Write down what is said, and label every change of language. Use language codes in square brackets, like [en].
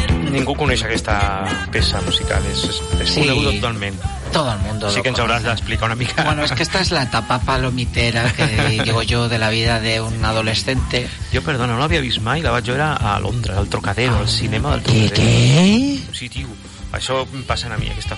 [ca] Ningú coneix aquesta peça musical, és conegut totalment. [es] Todo el mundo. Sí, que nos habrás de explicar [ca] una mica. [es] Bueno, es que esta es la etapa palomitera que digo yo de la vida de un adolescente. Yo, perdona, no la había visto [ca] mai, la vaig veure a Londres, al Trocadero, al cinema del Trocadero. [es] ¿Qué? [ca] Sí, tio, això em passa a mi, aquesta